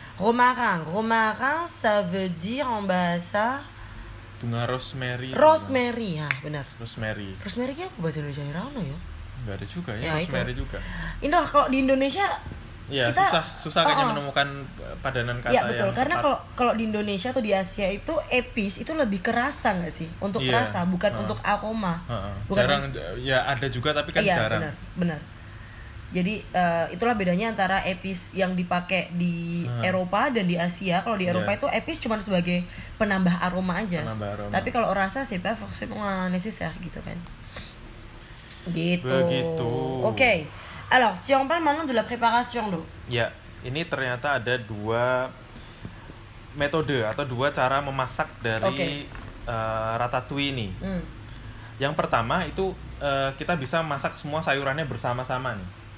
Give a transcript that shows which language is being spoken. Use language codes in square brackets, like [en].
[fr] Romarin ça veut dire en bahasa [id] bunga rosemary. Rosemary ya, benar. Rosemary. Rosemary ya bahasa Indonesia ya. Enggak ada juga ya, ya rosemary itu. Juga. Inilah kalau di Indonesia ya, kita susah kayaknya menemukan padanan kata ya, betul. Yang karena kalau di Indonesia atau di Asia itu epis itu lebih kerasa nggak sih untuk rasa bukan untuk aroma bukan jarang ya ada juga tapi kan jarang benar jadi itulah bedanya antara epis yang dipakai di Eropa dan di Asia. Kalau di Eropa itu epis cuma sebagai penambah aroma aja, penambah aroma. Tapi kalau rasa sih [fr] pas forcément nécessaire [id] gitu kan gitu. Begitu. Okay. [fr] Alors, si on parle maintenant de la préparation, lo. [id] Ya, ini ternyata ada dua metode atau dua cara memasak dari ratatouille ini. Hmm. Yang pertama itu kita bisa masak semua sayurannya bersama-sama nih.